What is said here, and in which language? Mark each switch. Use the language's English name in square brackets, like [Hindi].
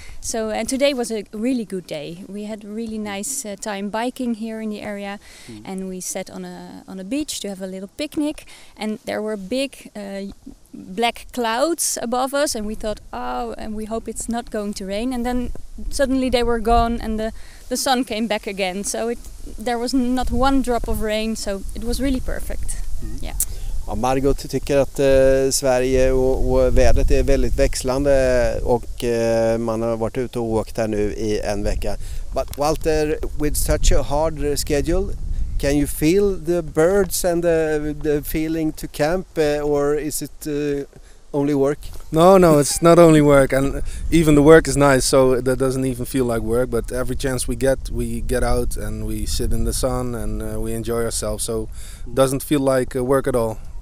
[English] So and today was a really good day. We had a really nice time biking here in the area, and we sat on a beach to have a little picnic, and there were big black clouds above us, and we thought, oh, and we hope it's not going to rain, and then suddenly they were gone and the sun came back again, so there was not one drop of rain, so it was really perfect. Mm. Yeah. [Swedish] Ja, Margot tycker att Sverige och vädret är väldigt växlande och man har varit ute och åkt här nu i en vecka. [English] But Walter, with such a hard schedule, can you feel the birds and the feeling to camp, or is it only work? No, it's not only work, and even the work is nice, so that doesn't even feel like work, but every chance we get out and we sit in the sun and we enjoy ourselves, so it doesn't feel like work at all.